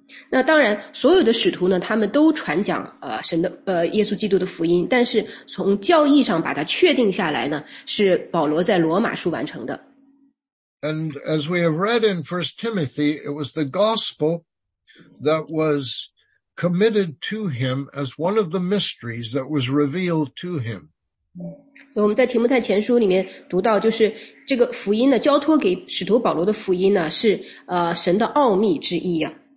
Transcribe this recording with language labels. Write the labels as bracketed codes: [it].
[zh] 那当然，所有的使徒呢，他们都传讲神的耶稣基督的福音，但是从教义上把它确定下来呢，是保罗在罗马书完成的。 [en] And as we have read in 1 Timothy, it was the gospel that was committed to him as one of the mysteries that was revealed to him. [zh] 我们在提摩太前书里面读到，就是这个福音呢，交托给使徒保罗的福音呢，是神的奥秘之一啊。